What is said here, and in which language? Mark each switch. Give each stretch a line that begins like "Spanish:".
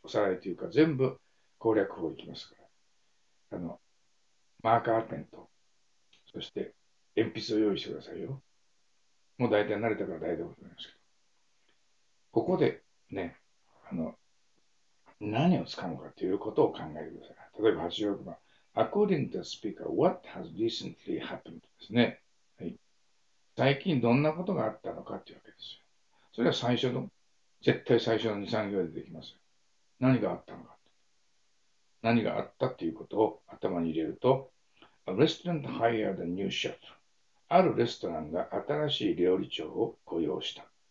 Japanese: おさらいというか、全部攻略法行きますから。マーカーペンと、そして鉛筆を用意してくださいよ。もう大体慣れたから大丈夫なんですけど。ここでね、何を使うのかということを考えてください。例えば86番。
English: According to the speaker, what has recently happened?
Japanese: ですね。はい。最近どんなことがあったのかというわけですよ。それは最初の、絶対最初の2、3行でできますよ。何があったのか。何があったということを頭に入れると、
English: A restaurant hired a new chef。
Japanese: あるレストランが新しい料理長を雇用した。